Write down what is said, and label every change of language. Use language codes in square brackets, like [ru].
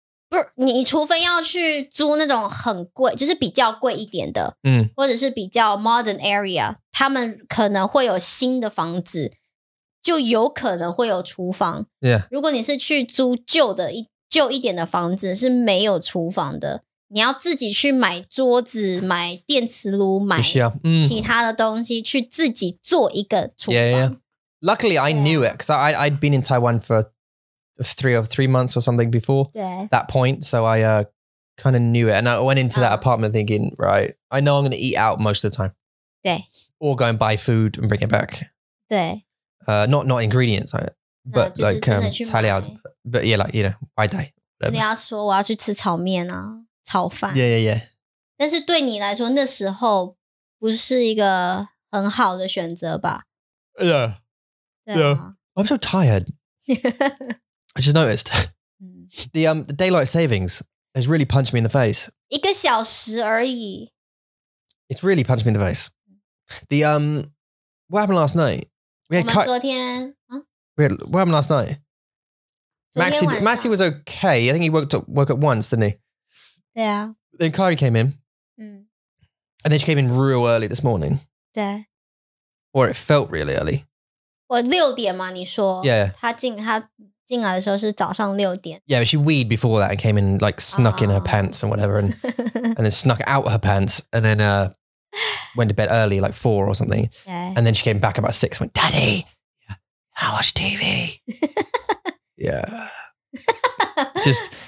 [zh] 不是,你除非要去租那种很贵,就是比较贵一点的, 或者是比较 [en] modern area, [zh] 他们可能会有新的房子,就有可能会有厨房。 [en] Yeah. [zh] 如果你是去租旧的, 旧一点的房子是没有厨房的，你要自己去买桌子、买电磁炉、买其他的东西去自己做一个厨房。 [en] Yeah, yeah. Luckily, I knew it because I'd been in Taiwan for three months or something before that point. So I kind of knew it, and I went into that apartment thinking, right, I know I'm going to eat out most of the time. [zh] 对 [en] or go and buy food and bring it back. [zh] 对 [en] not ingredients, but like [zh] 材料 [en] but yeah, like you know, I die. [zh] 你要说我要去吃炒面啊。炒饭 [en] yeah, yeah, yeah. [zh] 但是对你来说那时候不是一个很好的选择吧 [en] yeah, yeah. I'm so tired. I just noticed. The daylight savings has really punched me in the face. [zh] 一个小时而已 [en] It's really punched me in the face. The, what happened last night? We had [zh] 我们昨天、 [en] huh? we had, What happened last night? Maxie was okay. I think he woke up once, didn't he? [zh] 对啊 [en] Then Kari came in. And then she came in real early this morning. [zh] 对 [en] Or it felt really early. [zh] 我六点吗你说 [en] Yeah. [zh] 她进来的时候是早上六点 [en] Yeah, she weed before that and came in like snuck in her pants and whatever and then snuck out her pants and then went to bed early like 4 or something. Yeah. And then she came back about 6 and went, Daddy, I watch TV. yeah. Just...